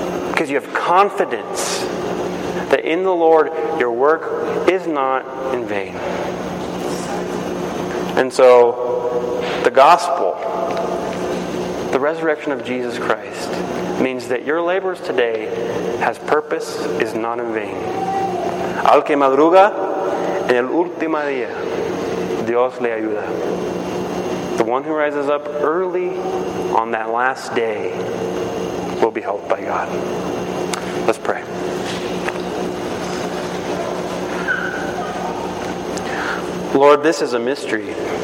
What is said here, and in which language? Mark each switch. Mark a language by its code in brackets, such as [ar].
[en] Because you have confidence that in the Lord, your work is not in vain. And so, the gospel, the resurrection of Jesus Christ, means that your labors today has purpose, is not in vain. [es] Al que madruga, en el último día, Dios le ayuda. [en] The one who rises up early on that last day will be helped by God. Let's pray. Lord, this is a mystery.